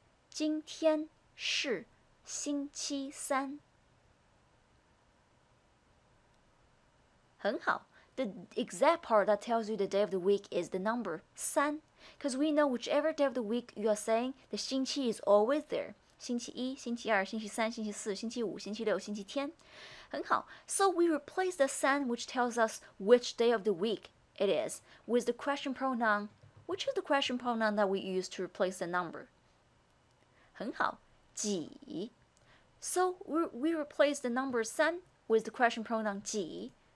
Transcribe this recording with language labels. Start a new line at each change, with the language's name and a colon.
Chinese: 今天是星期三。很好。
English: The exact part that tells you the day of the week is the number 三. Because we know whichever day of the week you are saying, the 星期 is always there.
Chinese: 星期一、星期二、星期三、星期四、星期五、星期六、星期天。很好。
English: So we replace the 三, which tells us which day of the week it is, with the question pronoun, which is the question pronoun that we use to replace the number.
Chinese: 很好。几。
English: So we replace the number 三 with the question pronoun 几。